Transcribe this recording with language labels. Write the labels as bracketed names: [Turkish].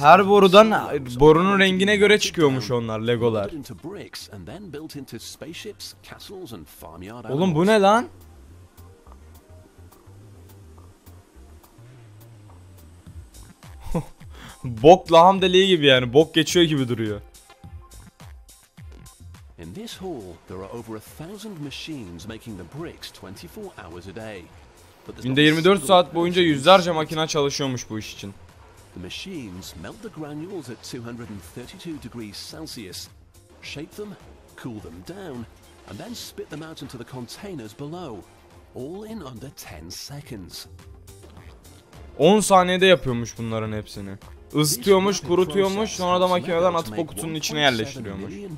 [Turkish] Her borudan borunun rengine göre çıkıyormuş onlar Legolar. [English] Into bricks and then built into spaceships, castles and farmyard animals. [Turkish] Oğlum bu ne lan? Bok laham deliği gibi yani, bok geçiyor gibi duruyor. [English] In this hall there are over 1000 machines making the bricks 24 hours a day. [Turkish] Günde 24 saat boyunca yüzlerce makina çalışıyormuş bu iş için. [English] The machines melt the granules at 232 degrees Celsius, shape them, cool them down and then spit them out into the containers below, all in under 10 seconds. [Turkish] 10 saniyede yapıyormuş bunların hepsini. Isıtıyormuş, kurutuyormuş, sonra da makineden atıp o kutunun içine yerleştiriyormuş.